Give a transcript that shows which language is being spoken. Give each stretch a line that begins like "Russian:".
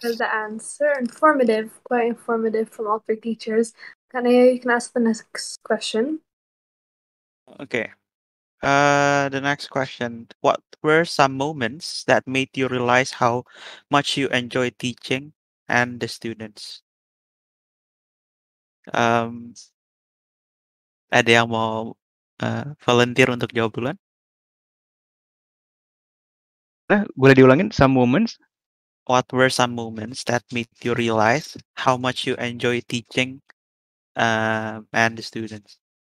English: The answer, informative, quite informative from all three teachers. Can I, you can ask the next question. Okay. The next question. What were some moments that made you realize how much you enjoy teaching and the students?
Indonesian: Ada yang mau volunteer untuk jawab duluan? Nah, boleh diulangin,
English: some moments? What were some moments that made you realize how much you enjoy teaching and the students?